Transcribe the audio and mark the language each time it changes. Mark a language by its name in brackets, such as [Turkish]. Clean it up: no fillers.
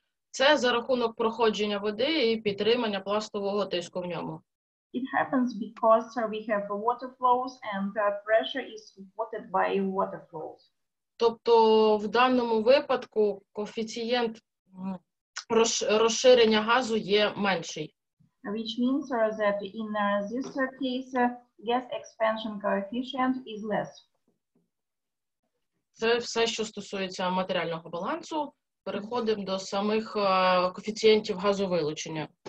[Ukrainian] Це за рахунок проходження води і підтримання пластового тиску в ньому. [English] It happens because we have water flows and pressure is supported by water flows. [Ukrainian] Тобто в даному випадку коефіцієнт розширення газу є менший. [English] Which means that in this case, gas expansion coefficient is less. [Ukrainian] Це все, що стосується матеріального балансу. Переходимо до самих коефіцієнтів газовилучення.